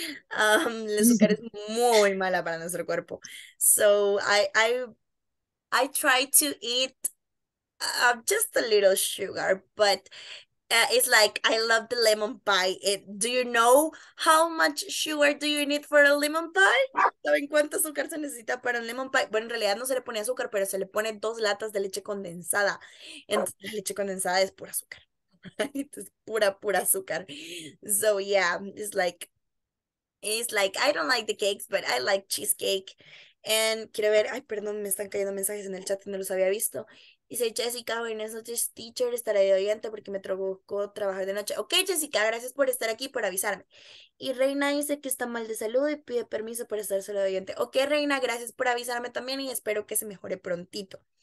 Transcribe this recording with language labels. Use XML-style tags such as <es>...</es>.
<es>El azúcar es muy mala para nuestro cuerpo.</es> <en>So I try to eat just a little sugar, but it's like I love the lemon pie. Do you know how much sugar do you need for a lemon pie?</en> <es>¿Saben cuánto azúcar se necesita para un lemon pie? Bueno, en realidad no se le pone azúcar, pero se le pone 2 latas de leche condensada. Entonces, la leche condensada es pura azúcar. Es pura, pura azúcar.</es> <en>So, yeah, it's like, I don't like the cakes, but I like cheesecake.</en> <es>And quiero ver, ay, perdón, me están cayendo mensajes en el chat y no los había visto. Dice Jessica, buenas noches, teacher, estaré de oyente porque me tocó trabajar de noche. Ok, Jessica, gracias por estar aquí, por avisarme. Y Reina dice que está mal de salud y pide permiso para estar solo de oyente. Ok, Reina, gracias por avisarme también y espero que se mejore prontito.</es>